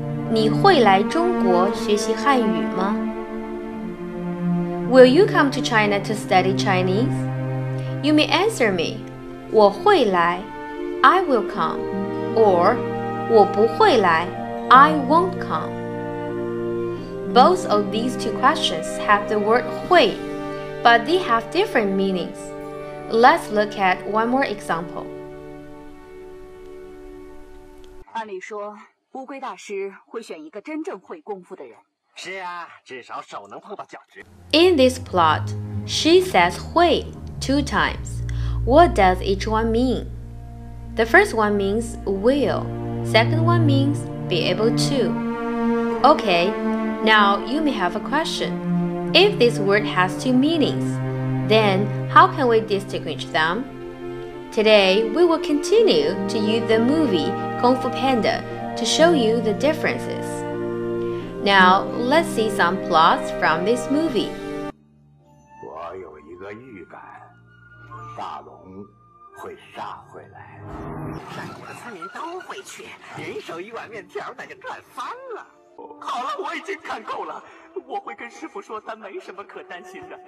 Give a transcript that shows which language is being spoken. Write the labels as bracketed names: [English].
[Chinese] 你会来中国学习汉语吗? [English] Will you come to China to study Chinese? You may answer me [Chinese] 我会来 [English] I will come or [Chinese] 我不会来 [English] I won't comeBoth of these two questions have the word 会, but they have different meanings. Let's look at one more example. [Chinese] 按理说，乌龟大师会选一个真正会功夫的人。是啊，至少手能碰到脚趾。 [English] In this plot, she says 会 two times. What does each one mean? The first one means will. Second one means be able to. Okay. Now, you may have a question. If this word has two meanings, then how can we distinguish them? Today, we will continue to use the movie Kung Fu Panda to show you the differences. Now, let's see some plots from this movie. [Chinese] 我有一个预感，大龙会杀回来。山谷的村民都会去，人手一碗面条，那就赚翻了。好了，我已经看够了。我会跟师傅说，咱没什么可担心的。